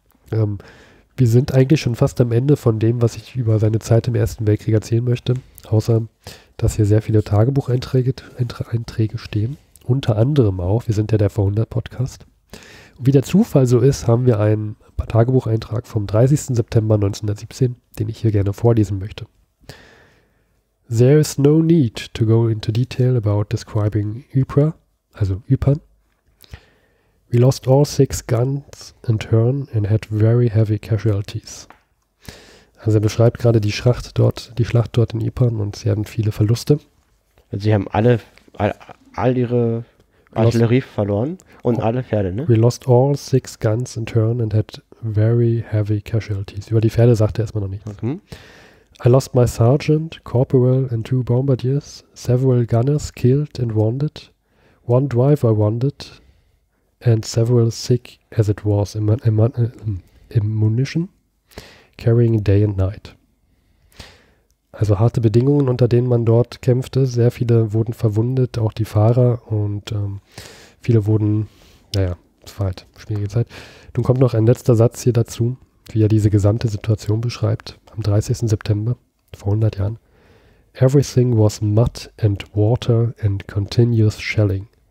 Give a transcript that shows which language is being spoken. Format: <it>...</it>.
<de>Wir sind eigentlich schon fast am Ende von dem, was ich über seine Zeit im Ersten Weltkrieg erzählen möchte. Außer, dass hier sehr viele Tagebucheinträge stehen. Unter anderem auch, wir sind ja der Vor-100-Podcast. Wie der Zufall so ist, haben wir einen Tagebucheintrag vom 30. September 1917, den ich hier gerne vorlesen möchte.</de> <en>There is no need to go into detail about describing Ypres, also Ypern. We lost all 6 guns in turn and had very heavy casualties.</en> <de>Also er beschreibt gerade die Schlacht dort in Ypern und sie haben viele Verluste. Sie haben all ihre Artillerie verloren und alle Pferde, ne?</de> <en>We lost all 6 guns in turn and had very heavy casualties.</en> <de>Über die Pferde sagt er erstmal noch nichts.</de> <en>Okay. I lost my sergeant, corporal and 2 bombardiers, several gunners killed and wounded, 1 driver wounded and several sick as it was ammunition carrying day and night.</en> <de>Also harte Bedingungen, unter denen man dort kämpfte. Sehr viele wurden verwundet, auch die Fahrer. Und viele wurden, es war halt schwierige Zeit. Nun kommt noch ein letzter Satz hier dazu, wie er diese gesamte Situation beschreibt. Am 30. September, vor 100 Jahren.</de> <en>Everything was mud and water and continuous shelling.</en>